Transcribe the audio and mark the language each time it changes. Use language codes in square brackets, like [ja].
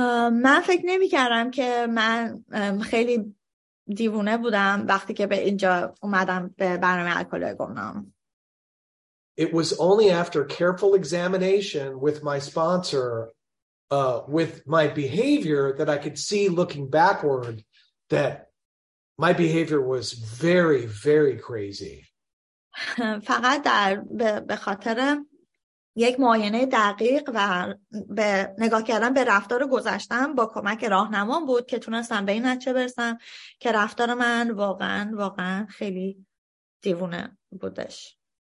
[fa] من فکر نمی کردم که من خیلی دیوونه بودم وقتی که به اینجا اومدم به برنامه الکلیکونام. [en] It was only after careful examination with my sponsor, with my behavior, that I could see looking backward that my behavior was very, very crazy. [fa] فقط در به خاطر یک معاینه دقیق و به نگاه کردن به رفتار گذشتم با کمک راهنمام بود که تونستم به این نتیجه برسم که رفتار من واقعا خیلی دیوونه بودش.